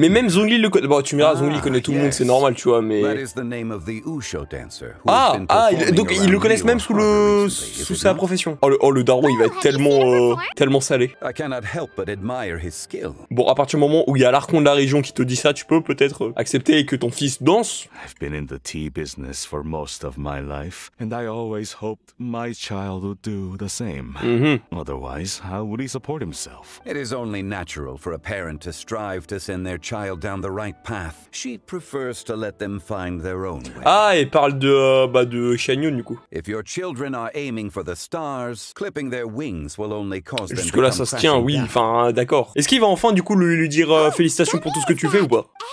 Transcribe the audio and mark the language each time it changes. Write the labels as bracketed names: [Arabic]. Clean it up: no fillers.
[French] Mais même Zongli le connaît. Bon, tu me diras, Zongli connaît tout le monde, c'est normal, tu vois, mais. [English] That is the name of the Usho dancer. [French] Donc ils le connaissent même sous sa profession. Oh, le daron, il va être tellement salé. [English] I cannot help but admire his skill. [French] Bon, à partir du moment où il y a l'archon de la région qui te dit ça, tu peux peut-être accepter que ton fils danse. [English] I've been in the tea business for most of my life, and I always hoped my child would do the same. Otherwise, how would he support himself? It is only natural for a parent to strive to send their child down the right path. She prefers to let them find their own way. [French] Ah, il parle de Xianyun, du coup. [English] If your children are aiming for the stars, clipping their wings will only cause them. [French] Jusque là, ça se tient, oui, enfin, d'accord. Est-ce qu'il va enfin, du coup, lui dire félicitations pour tout ce que tu fais ou pas?